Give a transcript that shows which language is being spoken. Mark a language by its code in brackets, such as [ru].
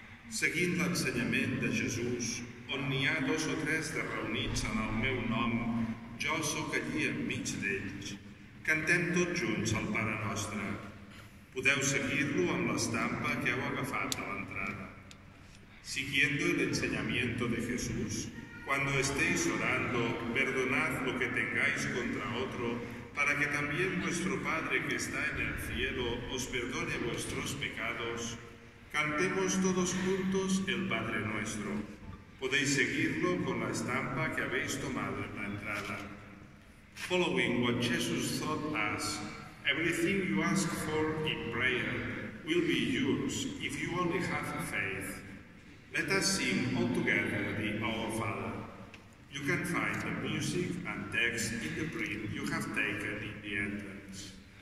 [ca] Seguint l'ensenyament de Jesús, on n'hi ha dos o tres de reunits en el meu nom, jo sóc allí enmig d'ells. Cantem tots junts el Pare Nostre. Podeu seguir-lo amb l'estampa que heu agafat a l'entrada. [es] Siguiendo el enseñamiento de Jesús, cuando estéis orando, perdonad lo que tengáis contra otro, para que también vuestro Padre que está en el cielo os perdone vuestros pecados. Cantemos todos juntos el Padre Nuestro. Podéis seguirlo con la estampa que habéis tomado en la entrada. [en] Following what Jesus taught us, everything you ask for in prayer will be yours if you only have faith. Let us sing all together the Our Father. You can find the music and text in the print you have taken in the entrance.